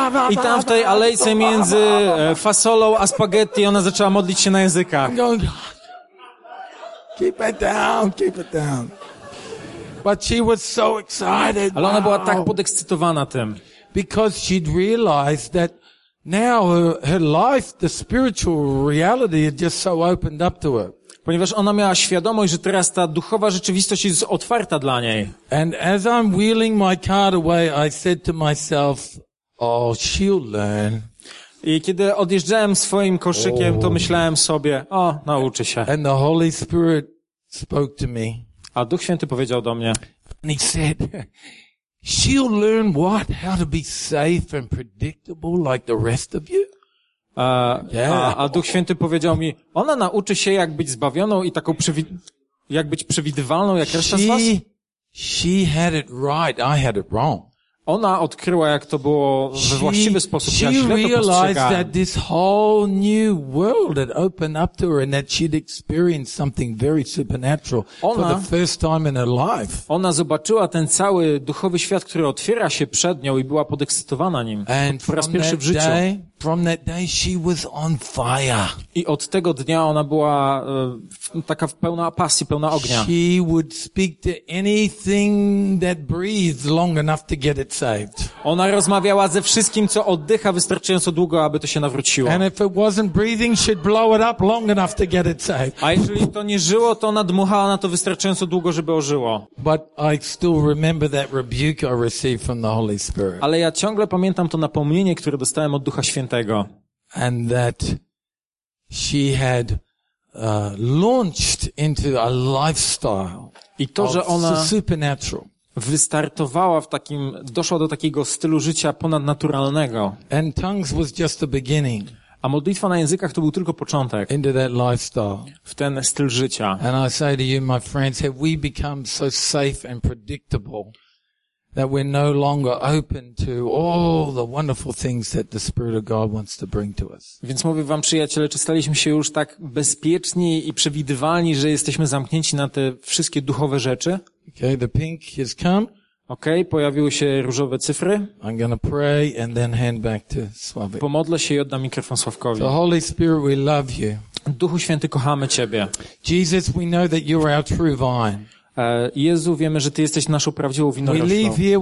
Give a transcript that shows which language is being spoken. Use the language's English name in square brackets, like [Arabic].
[Polish] I tam w tej alejce między fasolą a spaghetti ona zaczęła modlić się na językach. [English] Keep it down, keep it down. But she was so excited. [Polish] Ale ona była tak podekscytowana tym. [English] Because she'd realized that now her life, the spiritual reality had just so opened up to her. [Polish] Ponieważ ona miała świadomość, że teraz ta duchowa rzeczywistość jest otwarta dla niej. [English] And as I'm wheeling my cart away, I said to myself, oh, she'll learn. [Polish] I kiedy odjeżdżałem swoim koszykiem, to myślałem sobie, o, nauczy się. [English] And the Holy Spirit spoke to me. [Polish] A Duch Święty powiedział do mnie. [English] And he said, she'll learn what? How to be safe and predictable like the rest of you? [Polish] A Duch Święty powiedział mi, ona nauczy się, jak być zbawioną i taką jak być przewidywalną, jak reszta z was? [English] She had it right, I had it wrong. [Polish] Ona odkryła, jak to było we właściwy sposób. Ja źle to postrzegałem. [English] That this whole new world had opened up to her and that she'd experienced something very supernatural for the first time in her life. [Polish] Ona zobaczyła ten cały duchowy świat, który otwiera się przed nią i była podekscytowana nim po raz pierwszy w życiu. [English] Day, from that day she was on fire. [Polish] I od tego dnia ona była taka pełna pasji, pełna ognia. [English] She would speak to anything that breathed long enough to get it saved. [Polish] Ona rozmawiała ze wszystkim, co oddycha, wystarczająco długo, aby to się nawróciło. [English] And if it wasn't breathing, she'd blow it up long enough to get it saved. [Polish] A jeżeli to nie żyło, to ona dmuchała na to wystarczająco długo, żeby ożyło. [English] But I still remember that rebuke I received from the Holy Spirit. [Polish] Ale ja ciągle pamiętam to napomnienie, które dostałem od Ducha Świętego. [English] And that she had launched into a lifestyle. [Polish] I to, że ona [English] supernatural. [Polish] Wystartowała w takim, doszła do takiego stylu życia ponadnaturalnego. [English] And tongues was just the beginning. [Polish] A modlitwa na językach to był tylko początek. [English] Into that lifestyle. [Polish] W ten styl życia. [English] And I say to you, my friends, have we become so safe and predictable that we're no longer open to all the wonderful things that the Spirit of God wants to bring to us. [Polish] Więc mówię wam, przyjaciele, czy staliśmy się już tak bezpieczni i przewidywalni, że jesteśmy zamknięci na te wszystkie duchowe rzeczy? [English] Okay, the pink has come. [Polish] Okay, pojawiły się różowe cyfry. [English] I'm gonna pray and then hand back to Sławek. [Polish] Pomodlę się i oddam mikrofon Sławkowi. [English] The Holy Spirit, we love you. [Polish] Duchu Święty, kochamy ciebie. [English] Jesus, we know that you're our true vine. [Polish] Jezu, wiemy, że ty jesteś naszą prawdziwą winorośną.